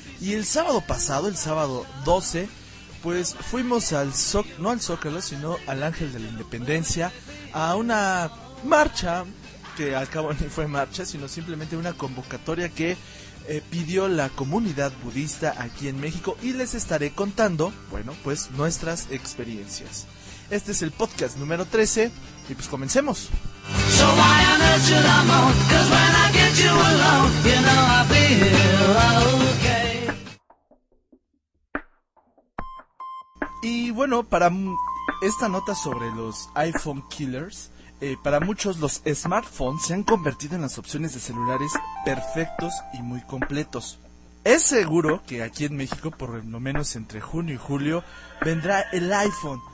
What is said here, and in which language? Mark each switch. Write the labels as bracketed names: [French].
[Spanish] Y el sábado pasado, el sábado 12, pues fuimos al Zócalo, sino al Ángel de la Independencia, a una marcha que al cabo ni fue marcha, sino simplemente una convocatoria que pidió la comunidad budista aquí en México, y les estaré contando, bueno, pues nuestras experiencias. Este es el podcast número 13 y pues comencemos. [English] So why on earth should I moan? 'Cause when I get you alone, you know I feel okay. [Spanish] Y bueno, para esta nota sobre los iPhone killers, para muchos los smartphones se han convertido en las opciones de celulares perfectos y muy completos. Es seguro que aquí en México, por lo menos entre junio y julio, vendrá el iPhone.